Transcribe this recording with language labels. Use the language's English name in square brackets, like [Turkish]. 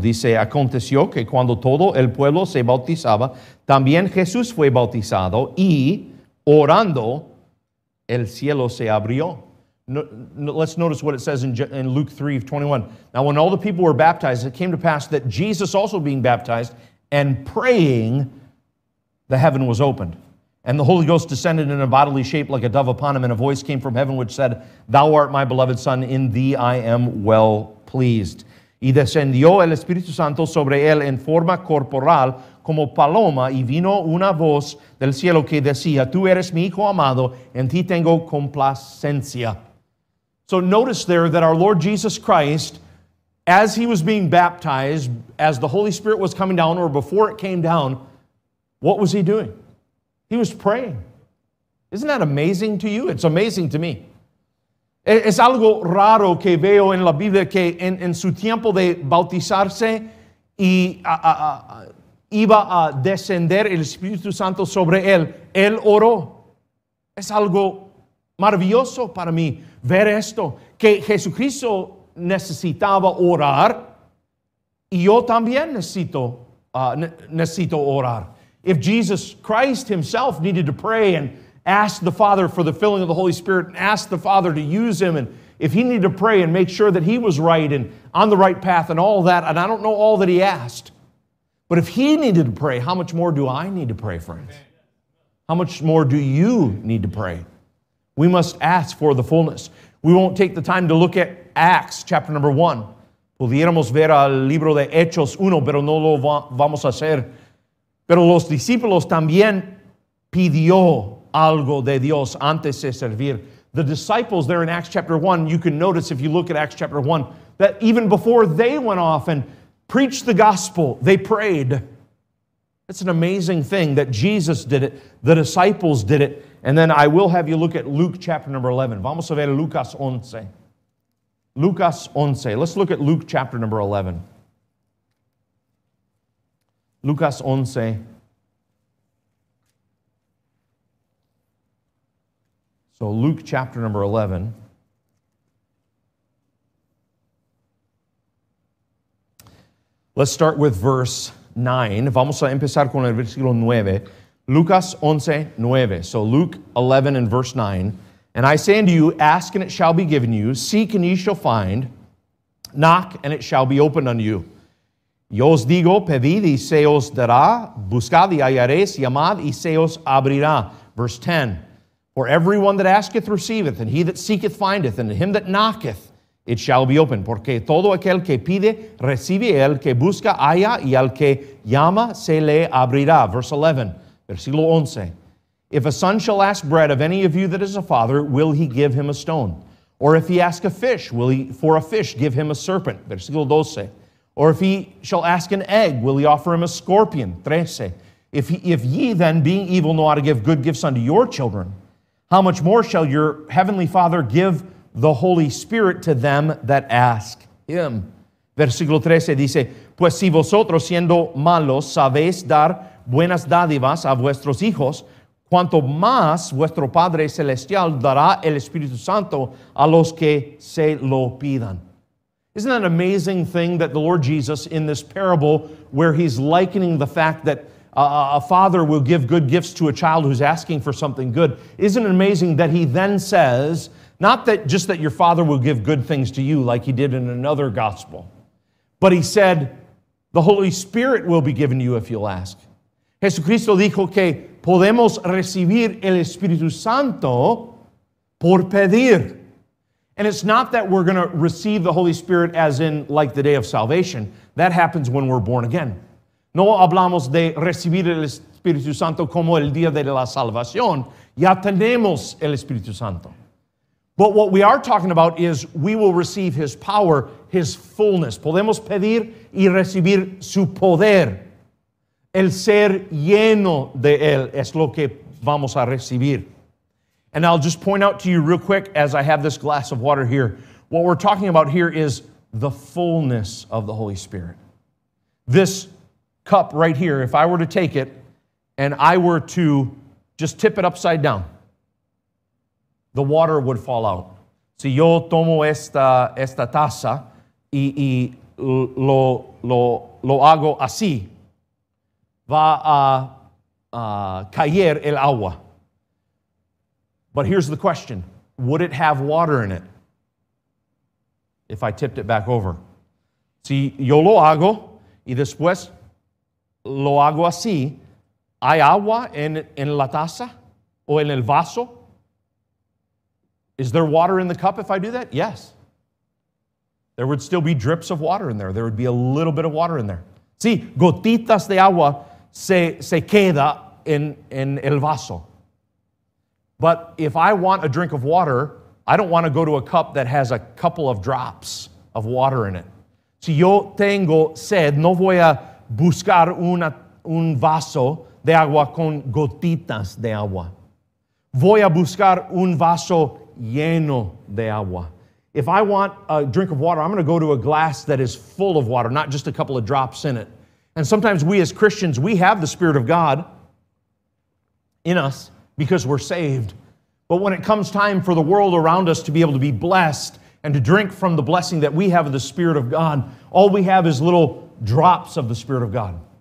[Spanish] Dice, aconteció que cuando todo el pueblo se bautizaba, también Jesús fue bautizado y, orando, el cielo se abrió. [English] Let's notice what it says in Luke 3, 21. Now, when all the people were baptized, it came to pass that Jesus also being baptized and praying, the heaven was opened. And the Holy Ghost descended in a bodily shape like a dove upon him, and a voice came from heaven which said, Thou art my beloved Son, in thee I am well pleased. [Spanish] Y descendió el Espíritu Santo sobre él en forma corporal como paloma, y vino una voz del cielo que decía, Tú eres mi hijo amado, en ti tengo complacencia. [English] So notice there that our Lord Jesus Christ, as he was being baptized, as the Holy Spirit was coming down, or before it came down, what was he doing? He was praying. Isn't that amazing to you? It's amazing to me. [Spanish] Es algo raro que veo en la Biblia que en su tiempo de bautizarse y iba a descender el Espíritu Santo sobre él. Él oró. Es algo maravilloso para mí ver esto, que Jesucristo necesitaba orar y yo también necesito orar. [English] If Jesus Christ himself needed to pray and ask the Father for the filling of the Holy Spirit and ask the Father to use him, and if he needed to pray and make sure that he was right and on the right path and all that, and I don't know all that he asked, but if he needed to pray, how much more do I need to pray, friends? How much more do you need to pray? We must ask for the fullness. We won't take the time to look at Acts chapter number 1. [Spanish] Pudiéramos ver al libro de Hechos 1, pero no lo vamos a hacer. Pero los discípulos también pidió algo de Dios antes de servir. [English] The disciples there in Acts chapter 1, you can notice if you look at Acts chapter 1, that even before they went off and preached the gospel, they prayed. It's an amazing thing that Jesus did it, the disciples did it. And then I will have you look at Luke chapter number 11. [Spanish] Vamos a ver Lucas 11. Lucas 11. [English] Let's look at Luke chapter number 11. Lucas 11, so Luke chapter number 11, let's start with verse 9, [Spanish] vamos a empezar con el versículo 9, [English] Lucas 11, 9, so Luke 11 and verse 9, and I say unto you, ask and it shall be given you, seek and ye shall find, knock and it shall be opened unto you. [Spanish] Yo os digo, pedid y se os dará, buscad y hallaréis, llamad y se os abrirá. [English] Verse 10, for everyone that asketh receiveth, and he that seeketh findeth, and to him that knocketh it shall be opened. [Spanish] Porque todo aquel que pide recibe, el que busca halla, y al que llama se le abrirá. [English] Verse 11, [Spanish] versículo 11, [English] if a son shall ask bread of any of you that is a father, will he give him a stone? Or if he ask a fish, will he for a fish give him a serpent? [Spanish] Versículo 12, [English] or if he shall ask an egg, will he offer him a scorpion? 13. If ye then, being evil, know how to give good gifts unto your children, how much more shall your heavenly Father give the Holy Spirit to them that ask him? [Spanish] Versículo 13 dice, pues si vosotros, siendo malos, sabéis dar buenas dádivas a vuestros hijos, cuanto más vuestro Padre Celestial dará el Espíritu Santo a los que se lo pidan. [English] Isn't that an amazing thing that the Lord Jesus, in this parable, where he's likening the fact that a father will give good gifts to a child who's asking for something good, isn't it amazing that he then says Not that just that your father will give good things to you like he did in another gospel. But he said, the Holy Spirit will be given to you if you'll ask. [Spanish] Jesucristo dijo que podemos recibir el Espíritu Santo por pedir. [English] And it's not that we're going to receive the Holy Spirit as in like the day of salvation. That happens when we're born again. [Spanish] No hablamos de recibir el Espíritu Santo como el día de la salvación. Ya tenemos el Espíritu Santo. [English] But what we are talking about is we will receive his power, his fullness. [Spanish] Podemos pedir y recibir su poder. El ser lleno de él es lo que vamos a recibir. [English] And I'll just point out to you real quick as I have this glass of water here. What we're talking about here is the fullness of the Holy Spirit. This cup right here, if I were to take it and I were to just tip it upside down, the water would fall out. [Spanish] Si yo tomo esta taza y lo hago así, va a caer el agua. [English] But here's the question. Would it have water in it if I tipped it back over? [Spanish] Si yo lo hago y después lo hago así, ¿hay agua en la taza o en el vaso? [English] Is there water in the cup if I do that? Yes. There would still be drips of water in there. There would be a little bit of water in there. [Spanish] Sí, gotitas de agua se queda en el vaso. [English] But if I want a drink of water, I don't want to go to a cup that has a couple of drops of water in it. [Spanish] Si yo tengo sed, no voy a buscar un vaso de agua con gotitas de agua. Voy a buscar un vaso lleno de agua. [English] If I want a drink of water, I'm going to go to a glass that is full of water, not just a couple of drops in it. And sometimes we as Christians, we have the Spirit of God in us because we're saved. But when it comes time for the world around us to be able to be blessed and to drink from the blessing that we have of the Spirit of God, all we have is little drops of the Spirit of God.